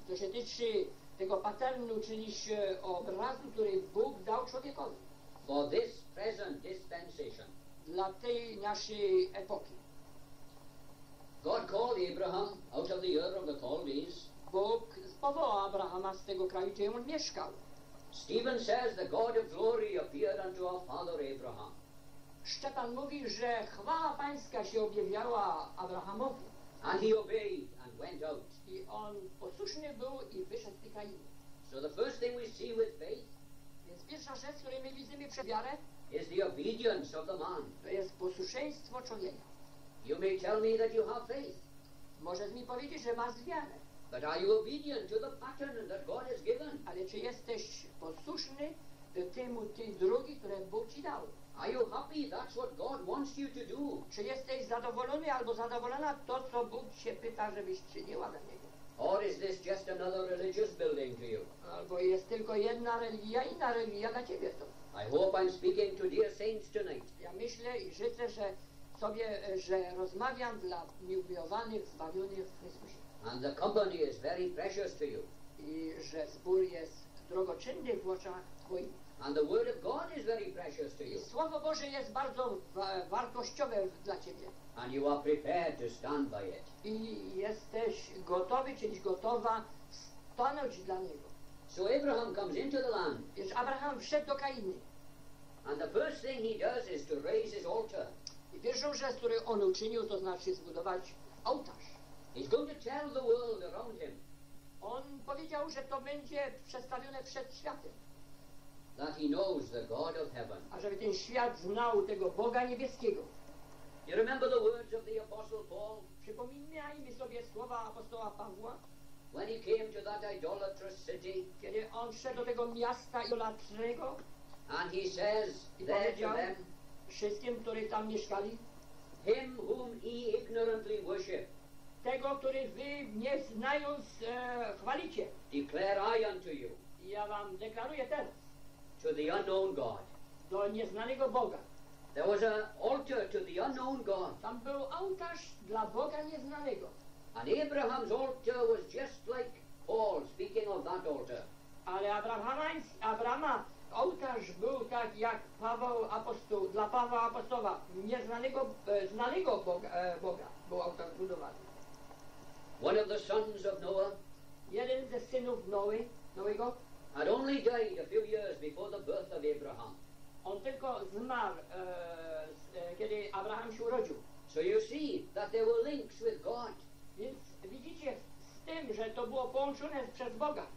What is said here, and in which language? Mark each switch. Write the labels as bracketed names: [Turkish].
[Polish] Co się tyczy tego patternu, czyli obrazu, który Bóg dał człowiekowi. [English] For this present dispensation. [Polish] Dla tej naszej epoki. [English] God called Abraham out of the Ur of the Chaldees. [Polish] Bóg powołał Abrahama z tego kraju, gdzie on mieszkał. [English] Stephen says the God of glory appeared unto our father Abraham. [Polish] Szczepan mówi, że chwała Pańska się objawiała Abrahamowi. [English] And he obeyed and went out. [Polish] I on posłuszny był i wyszedł z tej krainy. [English] So the first thing we see with faith, [Polish] więc pierwsza rzecz, której my widzimy przed wiarę, [English] is the obedience of the man. [Polish] To jest posłuszeństwo człowieka. [English] You may tell me that you have faith. [Polish] Możesz mi powiedzieć, że masz wiarę. [English] But are you obedient to the pattern that God has given? [Polish] Ale czy jesteś posłuszny temu tej drogi, które Bóg ci dał? [English] Are you happy? That's what God wants you to do. [Polish] Czy jesteś zadowolony albo zadowolona to, co Bóg cię pyta, żebyś czyniła dla Niego? [English] Or is this just another religious building to you? [Polish] Albo jest tylko jedna religia, inna religia dla ciebie to. [English] I hope I'm speaking to dear saints tonight. [Polish] Ja myślę i życzę, że sobie, że rozmawiam dla miłowanych, zbawionych w Chrystusie. [English] And the company is very precious to you. [Polish] I że zbór jest drogoczynny w oczach twoich. [English] And the word of God is very precious to you. [Polish] Słowo Boże jest bardzo wartościowe dla ciebie. [English] And you are prepared to stand by it. [Polish] I jesteś gotowy, czyś gotowa stanąć dla niego. [English] So Abraham comes into the land. [Polish] Więc Abraham wszedł do Krainy. [English] And the first thing he does is to raise his altar. [Polish] I pierwszą rzecz, którą on uczynił, to znaczy zbudować ołtarz. [English] He's going to tell the world around him. [Polish] On powiedział, że to będzie przedstawione przed światem. [English] That he knows the God of heaven. [Polish] A żeby ten świat znał tego Boga niebieskiego. [English] You remember the words of the apostle Paul? [Polish] Przypominajmy sobie słowa apostoła Pawła. [English] When he came to that idolatrous city. [Polish] Kiedy on wszedł do tego miasta idolatrznego. [English] And he says there to them. [Polish] Wszystkim, którzy tam mieszkali. [English] Him whom he ignorantly worship. [Polish] Tego, który wy nie znając chwalicie. [English] Declare I unto you. [Polish] Ja wam deklaruję teraz. [English] To the unknown God. [Polish] Do nieznanego Boga. [English] There was an altar to the unknown God. [Polish] Tam był ołtarz dla Boga nieznanego. [English] And Abraham's altar was just like Paul speaking of that altar. [Polish] Ale Abrahama ołtarz był tak jak Paweł apostoł dla Pawła apostoła nieznanego znanego Boga, Boga był ołtarz budowany. [English] One of the sons of Noah. [Polish] Jeden ze synów Noe, Noego. [English] Had only died a few years before the birth of Abraham. [Polish] On tylko zmarł, kiedy Abraham się urodził. [English] So you see that there were links with God. [Polish] Więc widzicie z tym, że to było połączone przez Boga.